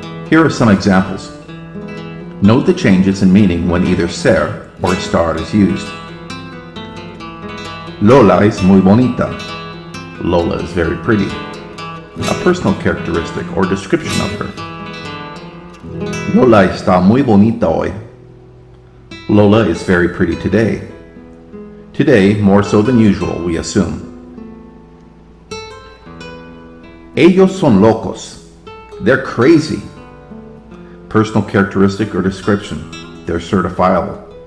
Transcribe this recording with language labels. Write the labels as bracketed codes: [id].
[en] Here are some examples. Note the changes in meaning when either ser or estar is used. [es] Lola es muy bonita. [en] Lola is very pretty. A personal characteristic or description of her. [es] Lola está muy bonita hoy. [en] Lola is very pretty today. Today, more so than usual, we assume. [es] Ellos son locos. [en] They're crazy. Personal characteristic or description. They're certifiable.